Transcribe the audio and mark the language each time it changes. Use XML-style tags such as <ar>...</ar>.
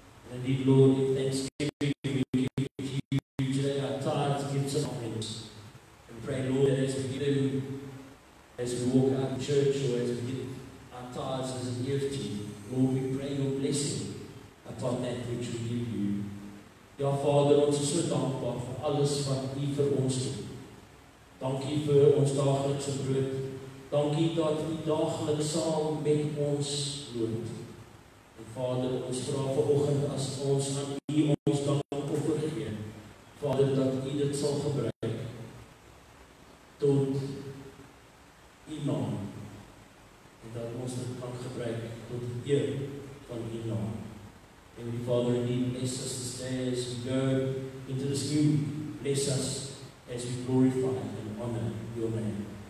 <en>And indeed, Lord, in thanksgiving, we give to you today our tithes, gifts, and offerings. And pray, Lord, that as we give them, as we walk out of church, or as we give our tithes as a gift to you, Lord, we pray your blessing upon that which we give you.</en> <af>Ja Vader, ons is so dankbaar vir alles wat U vir ons doen. Dankie vir ons daaglikse brood. Dankie dat U daagliks saam met ons loop. En Vader, ons vra vanoggend as ons aan U ons dankoffer gee, Vader, dat U dit sal gebruik tot U naam. En dat ons dit kan gebruik tot eer van U naam.</af> <en>Heavenly Father, indeed, bless us this day as we go into this new. Bless us as we glorify and honor your name.</en>